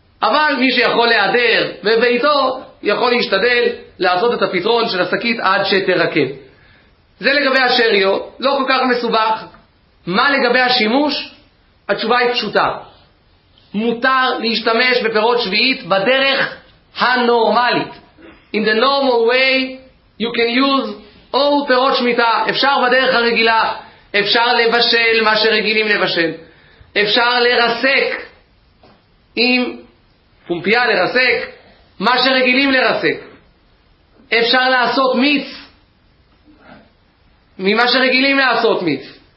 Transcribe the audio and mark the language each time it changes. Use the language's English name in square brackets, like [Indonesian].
[Hebrew] אבל מי שיכול להיעדר בביתו, יכול להשתדל לעשות את הפתרון של השקית עד שתרקב. זה לגבי השריו, לא כל כך מסובך. מה לגבי השימוש? התשובה היא פשוטה. מותר להשתמש בפירות שביעית בדרך הנורמלית. [English] In the normal way you can use all פירות שמיטה. [Hebrew] אפשר בדרך הרגילה, אפשר לבשל מה שרגילים לבשל. אפשר לרסק עם פומפייה, לרסק מה שרגילים לרסק. אפשר לעשות מיץ ממה שרגילים לעשות מיץ.